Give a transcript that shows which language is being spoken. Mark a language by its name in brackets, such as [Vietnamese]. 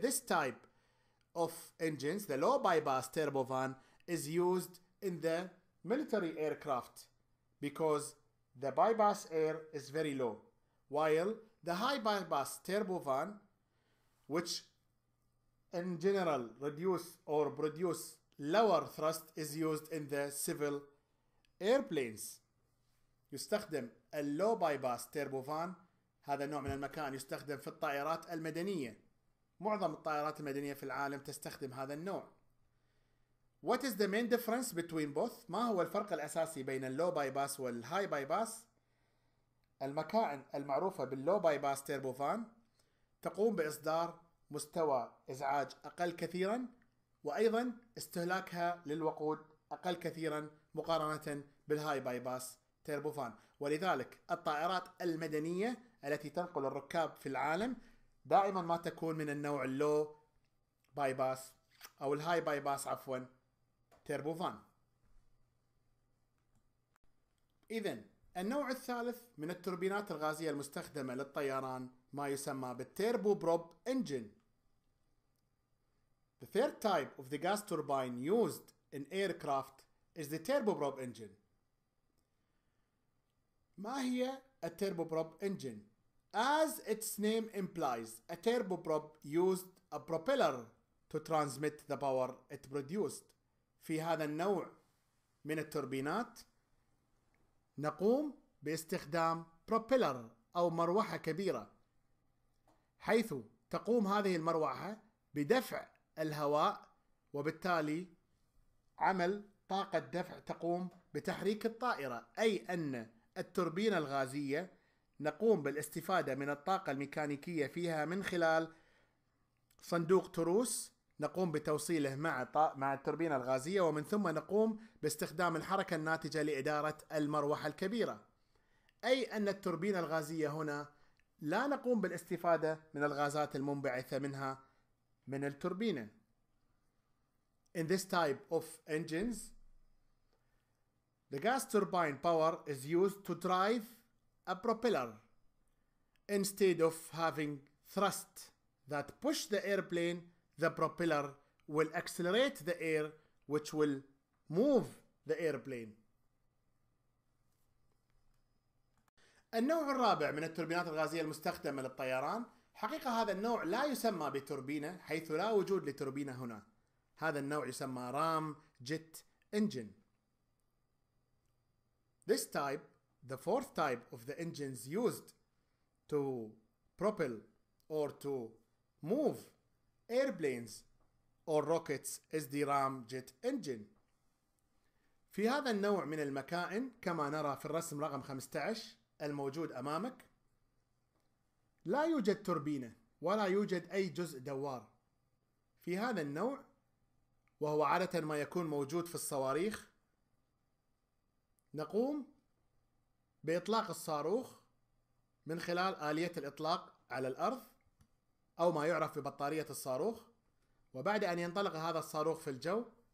[English] This type of engines, the low bypass turbofan, is used in the military aircraft because the bypass air is very low, while the high bypass turbofan, which in general reduce or produce lower thrust, is used in the civil airplanes. [Arabic] يستخدم اللو باي باس تيربوفان، هذا النوع من المكان يستخدم في الطائرات المدنية. معظم الطائرات المدنية في العالم تستخدم هذا النوع. [English] What is the main difference between both? [Arabic] ما هو الفرق الأساسي بين اللو باي باس والهاي باي باس؟ المكائن المعروفة باللو باي باس تيربوفان تقوم بإصدار مستوى إزعاج أقل كثيرا، وأيضا استهلاكها للوقود أقل كثيرا مقارنة بالهاي باي باس تيربوفان. ولذلك الطائرات المدنية التي تنقل الركاب في العالم دائما ما تكون من النوع اللو باي باس أو الهاي باي باس عفوا تيربوفان. إذن النوع الثالث من التوربينات الغازية المستخدمة للطيران ما يسمى بالتيربو بروب انجن. [English] The third type of the gas turbine used in aircraft is the turboprop engine. [Arabic] ما هي التيربوبروب انجن؟ [English] As its name implies, a turboprop used a propeller to transmit the power it produced. [Arabic] في هذا النوع من التوربينات نقوم باستخدام بروبيلر أو مروحة كبيرة، حيث تقوم هذه المروحة بدفع الهواء وبالتالي عمل طاقة دفع تقوم بتحريك الطائرة، أي أن التوربينة الغازية نقوم بالاستفادة من الطاقة الميكانيكية فيها من خلال صندوق تروس نقوم بتوصيله مع التوربينة الغازية، ومن ثم نقوم باستخدام الحركة الناتجة لإدارة المروحة الكبيرة، أي أن التوربينة الغازية هنا لا نقوم بالاستفادة من الغازات المنبعثة منها من التوربينة. [English] In this type of engines, the gas turbine power is used to drive a propeller instead of having thrust that push the airplane. The propeller will accelerate the air, which will move the airplane. [Arabic] النوع الرابع من التوربينات الغازية المستخدمة للطيران، حقيقة هذا النوع لا يسمى بتوربينة حيث لا وجود لتوربينة هنا. هذا النوع يسمى رام جيت انجن. [English] This type, the fourth type of the engines used to propel or to move airplanes or rockets is the ramjet engine. [Arabic] في هذا النوع من المكائن كما نرى في الرسم رقم 15 الموجود أمامك لا يوجد توربينة ولا يوجد أي جزء دوار. في هذا النوع وهو عادة ما يكون موجود في الصواريخ نقوم بإطلاق الصاروخ من خلال آلية الإطلاق على الأرض أو ما يعرف ببطارية الصاروخ، وبعد أن ينطلق هذا الصاروخ في الجو